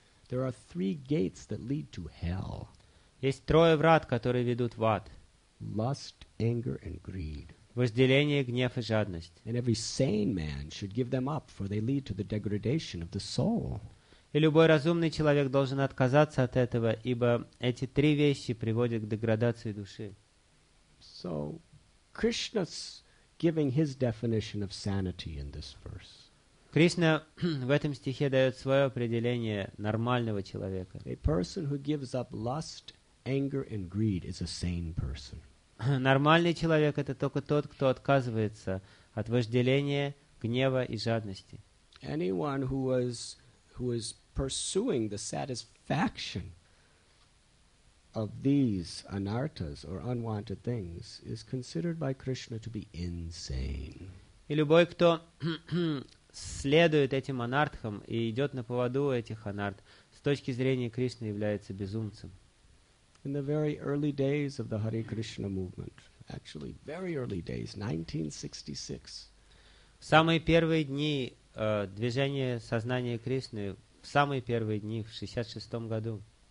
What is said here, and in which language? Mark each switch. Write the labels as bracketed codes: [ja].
[en] There are three gates that lead to hell. [ru] Есть трое врат, которые ведут в ад. [en] Lust, anger and greed. [ru] Вожделение, гнев и жадность. [en] And every sane man should give them up, for they lead to the degradation of the soul. [ru] И любой разумный человек должен отказаться от этого, ибо эти три вещи приводят к деградации души. [en] So, Krishna's giving his definition of sanity in this verse. [ru] Кришна в этом стихе дает свое определение нормального человека. [en] A person who gives up lust, anger and greed is a sane person. [ru] Нормальный человек — это только тот, кто отказывается от вожделения, гнева и жадности. [en] Anyone who is pursuing the satisfaction of these anartas or unwanted things is considered by Krishna to be insane. [ru] И любой, кто следует этим анартхам и идет на поводу этих анарт, с точки зрения Кришны является безумцем. [en] In the very early days of the Hare Krishna movement, actually very early days, 1966. [ru] В самые первые дни движения сознания Кришны, в самые первые дни, в 66-м году.